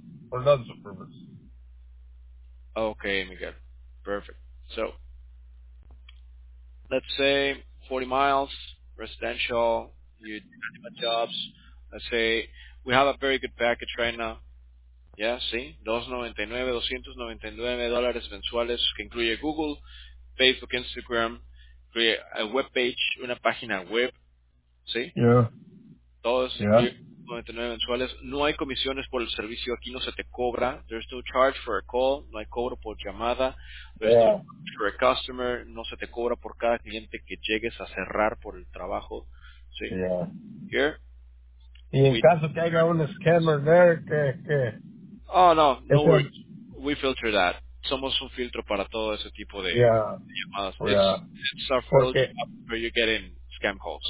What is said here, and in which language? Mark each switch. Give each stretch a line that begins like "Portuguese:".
English: For that service. Okay, Miguel. Perfect. So let's say 40 miles residential. You do my jobs. Let's say we have a very good package right now. Yeah, sí.
Spanish: $299 mensuales, que incluye Google, Facebook, Instagram, incluye
English: a web page,
Spanish: una página web. Sí.
English: Yeah.
Spanish: Todos.
English: Yeah.
Spanish: $299 mensuales. No hay comisiones por el servicio. Aquí no se te cobra.
English: There's no charge for a call.
Spanish: No hay cobro por llamada.
English: There's yeah. no charge for a customer.
Spanish: No se te cobra por cada cliente que llegues a cerrar por el trabajo. Sí.
English: Yeah. Here.
Spanish: Y en caso que haya un scammer there, que.
English: Oh no, no worries. We filter that.
Spanish: Somos un filtro para todo ese tipo de llamadas.
English: It's our filter where you get in scam calls.